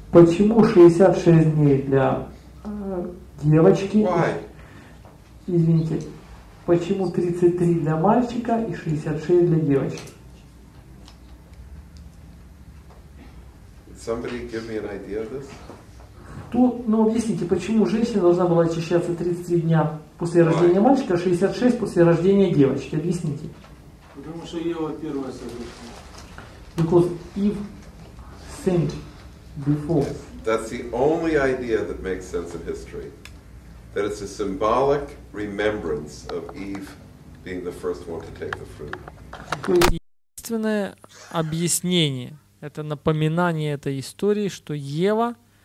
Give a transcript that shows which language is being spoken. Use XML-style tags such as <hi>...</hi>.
<ru>Почему 66 дней для девочки?</ru> <en>Why?</en> <ru>Извините. Почему 33 для мальчика и 66 для девочки?</ru> <en>Did somebody give me an idea of this?</en> <ru>Ну, объясните, почему женщина должна была очищаться 33 дня после рождения мальчика, а 66 после рождения девочки? Объясните. Потому что Ева первая согрешила.</ru> <en>Because Eve sinned before. Yes. That's the only idea that makes sense in history. That it's a symbolic remembrance of Eve being the first one to take the fruit.</en> <ru>Единственное объяснение, это напоминание этой истории, что Ева...</ru>